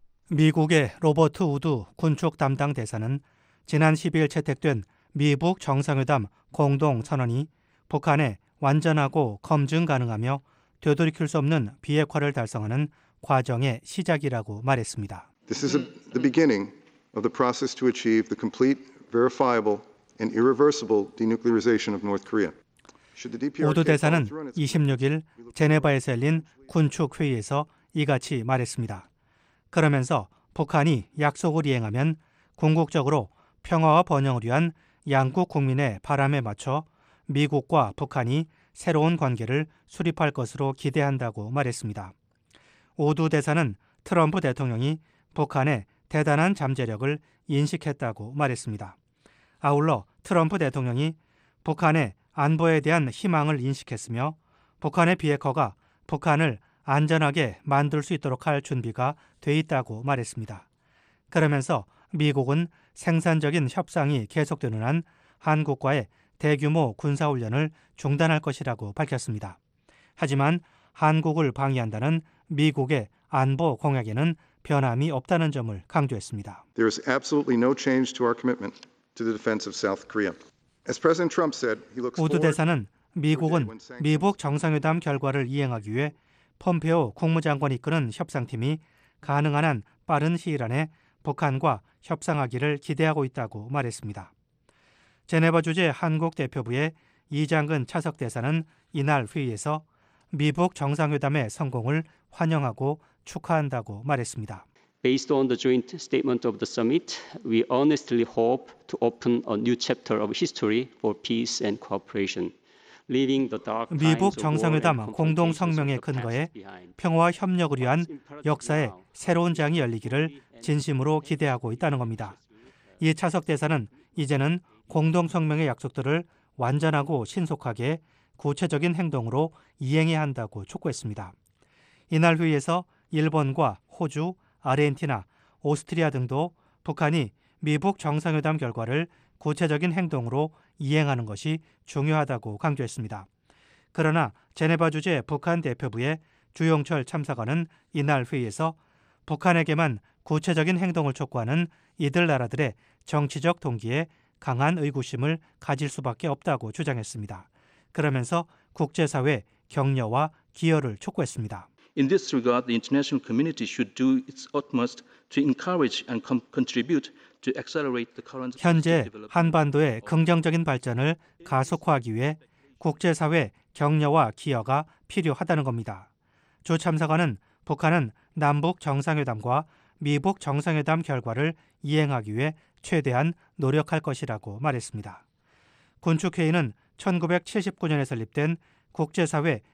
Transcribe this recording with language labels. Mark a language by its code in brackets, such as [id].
[ko] 미국의 로버트 우드 군축 담당 대사는 지난 12일 채택된 미북 정상회담 공동선언이 북한의 완전하고 검증 가능하며 되돌이킬 수 없는 비핵화를 달성하는 과정의 시작이라고 말했습니다. [en] This is the beginning of the process to achieve the complete, verifiable and irreversible denuclearization of North Korea. [ko] 우드 대사는 26일 제네바에서 열린 군축 회의에서 이같이 말했습니다. 그러면서 북한이 약속을 이행하면 궁극적으로 평화와 번영을 위한 양국 국민의 바람에 맞춰 미국과 북한이 새로운 관계를 수립할 것으로 기대한다고 말했습니다. 우드 대사는 트럼프 대통령이 북한의 대단한 잠재력을 인식했다고 말했습니다. 아울러 트럼프 대통령이 북한의 안보에 대한 희망을 인식했으며 북한의 비핵화가 북한을 안전하게 만들 수 있도록 할 준비가 돼 있다고 말했습니다. 그러면서 미국은 생산적인 협상이 계속되는 한 한국과의 대규모 군사훈련을 중단할 것이라고 밝혔습니다. 하지만 한국을 방해한다는 미국의 안보 공약에는 변함이 없다는 점을 강조했습니다. [en] There is absolutely no change to our commitment to the defense of South Korea. As President Trump said, he looks forward. [ko] 우드 대사는 미국은 미북 정상회담 결과를 이행하기 위해 폼페오 국무장관이 이끄는 협상팀이 가능한 한 빠른 시일 안에 북한과 협상하기를 기대하고 있다고 말했습니다. 제네바 주재 한국 대표부의 이장근 차석 대사는 이날 회의에서 미북 정상회담의 성공을 환영하고 축하한다고 말했습니다. [en] Based on the joint statement of the summit, we earnestly hope to open a new chapter of history for peace and cooperation. [ko] 미북 정상회담 공동 성명에 근거해 평화와 협력을 위한 역사의 새로운 장이 열리기를 진심으로 기대하고 있다는 겁니다. 이 차석 대사는 이제는 공동 성명의 약속들을 완전하고 신속하게 구체적인 행동으로 이행해야 한다고 촉구했습니다. 이날 회의에서 일본과 호주, 아르헨티나, 오스트리아 등도 북한이 미북 정상회담 결과를 구체적인 행동으로 이행하는 것이 중요하다고 강조했습니다. 그러나 제네바 주재 북한 대표부의 주용철 참사관은 이날 회의에서 북한에게만 구체적인 행동을 촉구하는 이들 나라들의 정치적 동기에 강한 의구심을 가질 수밖에 없다고 주장했습니다. 그러면서 국제사회 격려와 기여를 촉구했습니다. [en] In this regard, the international community should do its utmost to encourage and contribute to accelerate the current [ko] 현재 한반도의 긍정적인 발전을 가속화하기 위해 국제사회 격려와 기여가 필요하다는 겁니다. 조 참사관은 북한은 남북 정상회담과 미북 정상회담 결과를 이행하기 위해 최대한 노력할 것이라고 말했습니다. 군축회의는 1979년에 설립된 국제사회